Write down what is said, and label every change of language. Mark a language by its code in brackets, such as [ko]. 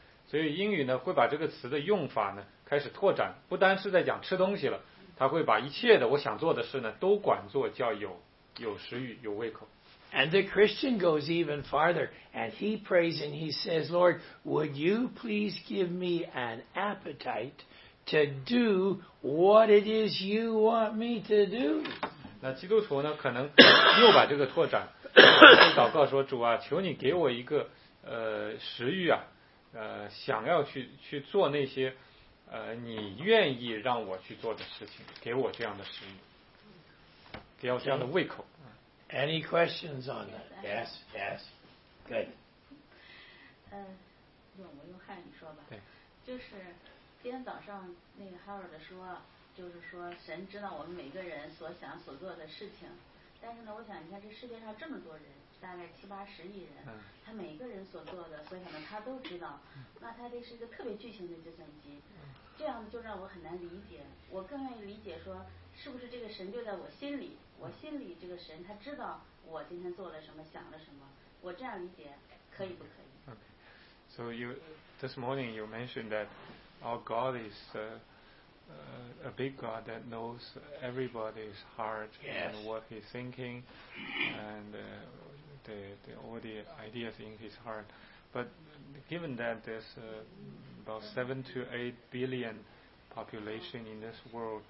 [zh] 所以英语呢会把这个词的用法呢开始拓展，不单是在讲吃东西了，它会把一切的我想做的事呢都管作叫有食欲有胃口。 [en] And the Christian goes even farther, and he prays and he says, Lord, would you please give me an appetite to do what it is you want me to do? [zh] 那基督徒呢可能又把这个拓展。祷告说主啊求你给我一个食欲啊想要去做那些你愿意让我去做的事情给我这样的食欲给我这样的胃口 [en] Any questions on that? Yes, yes, good [zh] 我用汉语说吧就是今天早上那个 Howard 说就是说神知道我们每个人所想所做的事情但是呢我想一下这世界上这么多人大概七八十亿人他每个人所做的所想的他都知道那他这是一个特别巨型的计算机这样就让我很难理解我更愿意理解说是不是这个神就在我心里这个神他知道我今天做了什么想了什么我这样理解可以不可以 [en] Okay. So you this morning you mentioned that our God isa big God that knows everybody's heart Yes. and what he's thinking and the all the ideas in his heart but given that there's about 7 to 8 billion population in this world